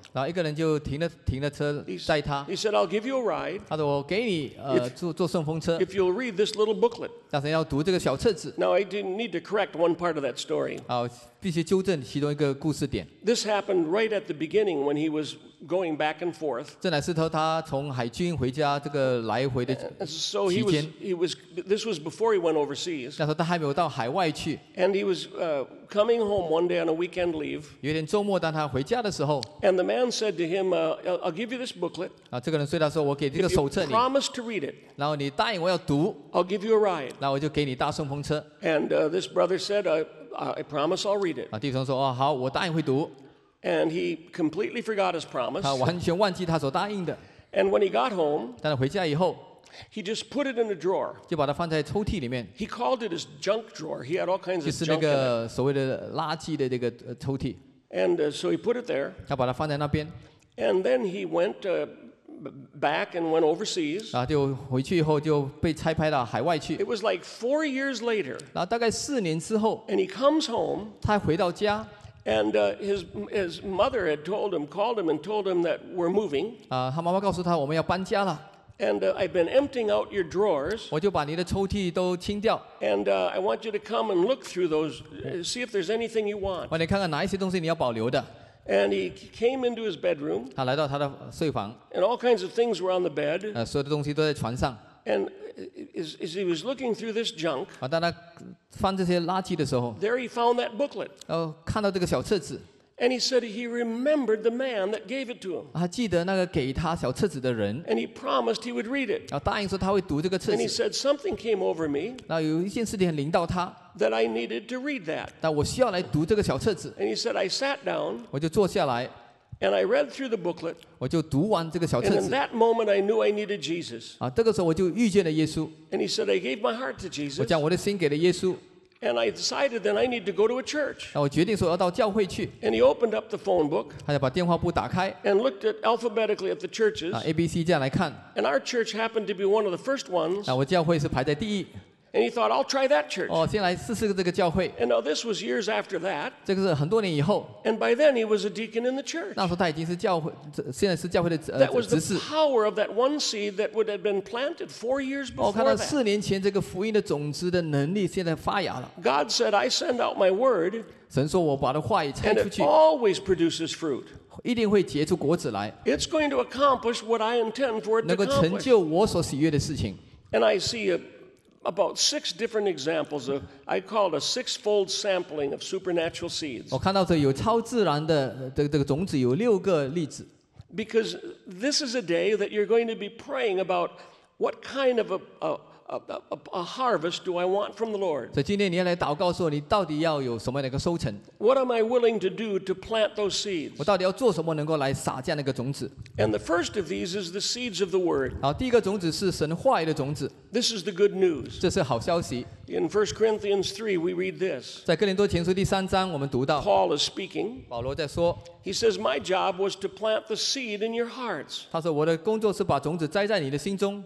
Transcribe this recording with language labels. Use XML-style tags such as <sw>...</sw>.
<zh>然后一个人就停了车载他。</zh> <en>He said, "I'll give you a ride."</en> <zh>他说我给你坐顺风车。</zh> <en>If you'll read this little booklet.</en> <zh>但是要读这个小册子。</zh> <en>Now I didn't need to correct one part of that story.</en> <zh>必须纠正其中一个故事点。</zh> <en>This happened right at the beginning when he was going back and forth.</en> <zh>这乃是他从海军回家这个来回的期间。</zh> <en>So he was. This was before he went overseas.</en> <zh>那时候他还没有到海外去。</zh> <en>And he was coming home one day on a weekend leave.</en> <zh>有一天周末，当他回家的时候。</zh> <en>And the man said to him, "I'll give you this booklet."</en> <zh>这个人对他说，我给这个手册你。</zh> <en>If you promise to read it.</en> <zh>然后你答应我要读。</zh> <en>I'll give you a ride.</en> <zh>那我就给你搭顺风车。</zh> <en>And this brother said, I promise I'll read it.</en> <zh>弟兄说，好，我答应会读。</zh> <en>And he completely forgot his promise.</en> <zh>他完全忘记他所答应的。</zh> <en>And when he got home,</en> <zh>但是回家以后</zh> <en>he just put it in a drawer.</en> <zh>就把它放在抽屉里面。</zh> <en>He called it his junk drawer. He had all kinds of junk in it.</en> <zh>就是那个所谓的垃圾的这个抽屉。</zh> <en>And so he put it there.</en> <zh>他把它放在那边。</zh> <en>And then he went back and went overseas.</en> <zh>然后就回去以后就被差派到海外去。</zh> <en>It was like 4 years later.</en> <zh>然后大概四年之后</zh> <en>and he comes home.</en> <zh>他回到家。</zh> <en>And his mother had called him and told him that we're moving.</en> <zh>他妈妈告诉他我们要搬家了。</zh> <en>And I've been emptying out your drawers.</en> <zh>我就把你的抽屉都清掉。</zh> <en>And I want you to come and look through those, see if there's anything you want.</en> <zh>我来看看哪一些东西你要保留的。</zh> <en>And he came into his bedroom.</en> <zh>他来到他的睡房。</zh> <en>And all kinds of things were on the bed.</en> <zh>所有的东西都在床上。</zh> <en>And as he was looking through this junk,</en> <zh>当他翻这些垃圾的时候，</zh> <en>there he found that booklet.</en> <zh>看到这个小册子。</zh> <en>And he said he remembered the man that gave it to him.</en> <zh>他记得那个给他小册子的人。</zh> <en>And he promised he would read it.</en> <zh>答应说他会读这个册子。</zh> <en>And he said something came over me.</en> <zh>有一件事情临到他。</zh> <en>That I needed to read that.</en> <zh>我需要来读这个小册子。</zh> <en>And he said I sat down.</en> <zh>我就坐下来。</zh> <en>And I read through the booklet.</en> <zh>我就读完这个小册子。</zh> <en>And in that moment I knew I needed Jesus.</en> <zh>这个时候我就遇见了耶稣。</zh> <en>And he said I gave my heart to Jesus.</en> <zh>我将我的心给了耶稣。</zh> <en>And I decided that I need to go to a church.</en> <zh>我决定说要到教会去。</zh> <en>And he opened up the phone book.</en> <zh>他就把电话簿打开。</zh> <en>And looked at alphabetically at the churches.</en> <zh>A B C 这样来看。</zh> <en>And our church happened to be one of the first ones.</en> <zh>我教会是排在第一。</zh> <en>And he thought, I'll try that church.</en> <zh>先来试试这个教会。</zh> <en>And now this was years after that.</en> <zh>这个是很多年以后。</zh> <en>And by then he was a deacon in the church.</en> <zh>那时候他已经是教会，现在是教会的执事。</zh> <en>That was the power of that one seed that would have been planted 4 years before that.</en> <zh>看到四年前这个福音的种子的能力现在发芽了。</zh> <en>God said, I send out my word.</en> <zh>神说我把的话也拆出去。</zh> <en>And it always produces fruit.</en> <zh>一定会结出果子来。</zh> <en>It's going to accomplish what I intend for it to accomplish.</en> <zh>能够成就我所喜悦的事情。</zh> <en>And I see about six different examples of, I call it a six-fold sampling of supernatural seeds.</en> <zh>我看到这有超自然的这个种子有六个例子。</zh> <en>Because this is a day that you're going to be praying about what kind of a harvest do I want from the Lord?</en> <zh>所以今天你要来祷告说你到底要有什么样的收成。</zh> <en>What am I willing to do to plant those seeds?</en> <zh>我到底要做什么能够来撒这样的一个种子。</zh> <en>And the first of these is the seeds of the word.</en> <zh>第一个种子是神话语的种子。</zh> <en>This is the good news.</en> <zh>这是好消息。</zh> <en>In 1 Corinthians 3, we read this.</en> <zh>在哥林多前书第三章我们读到。</zh> <en>Paul is speaking.</en> <zh>保罗在说。</zh> <en>He says, my job was to plant the seed in your hearts.</en> <zh>他说我的工作是把种子栽在你的心中。</zh>